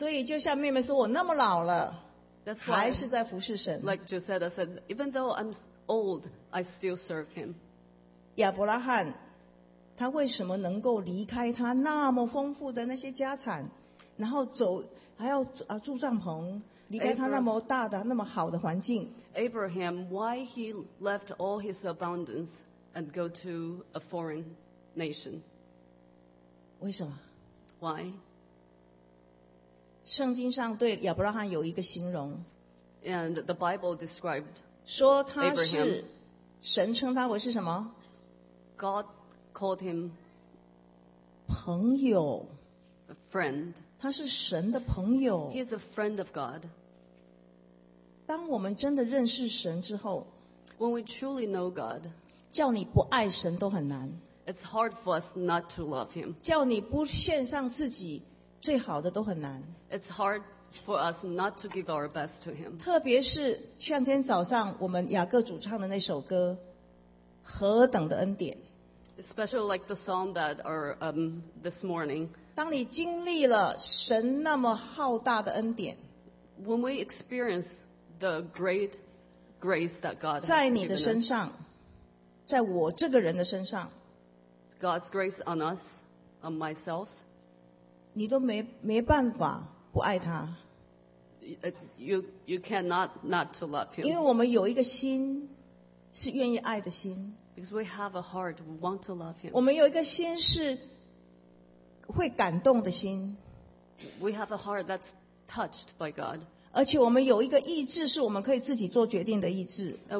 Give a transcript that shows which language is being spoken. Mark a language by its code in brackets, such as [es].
[zh] 所以就像妹妹说，我那么老了， [en] That's why, [zh] 还是在服侍神。 [en] Like Josetta said, even though I'm old, I still serve Him. [zh] 亚伯拉罕他为什么能够离开他那么丰富的那些家产，然后走还要住帐篷，离开他那么大的那么好的环境。 [en] Abraham, why he left all his abundance and go to a foreign nation? [zh] 为什么？ [en] Why? [zh] 圣经上对亚伯拉罕有一个形容， [en] And the Bible described Abraham, [zh] 说他是神称他为是什么？ [en] God called him [zh] 朋友 [en] a friend. [zh] 他是神的朋友。 [en] He is a friend of God. [zh] 当我们真的认识神之后， [en] When we truly know God, [zh] 叫你不爱神都很难。 [en] It's hard for us not to love him. [zh] 叫你不献上自己最好的都很难。 [en] It's hard for us not to give our best to him. [zh] 特别是像今天早上我们雅各主唱的那首歌何等的恩典。 [en] Especially like the song that are this morning. [zh] 当你经历了神那么浩大的恩典。 [en] When we experience the great grace that God has given us. [zh] 在你的身上，在我这个人的身上。 [en] God's grace on us, on myself. [zh] 你都没办法不爱他。 [en] You cannot not to love him. [zh] 因为我们有一个心是愿意爱的心。 [en] Because we have a heart, we want to love him. [zh] 我们有一个心是会感动的心。 [en] We have a heart that's touched by God. [zh] 而且我们有一个意志是我们可以自己做决定的意志。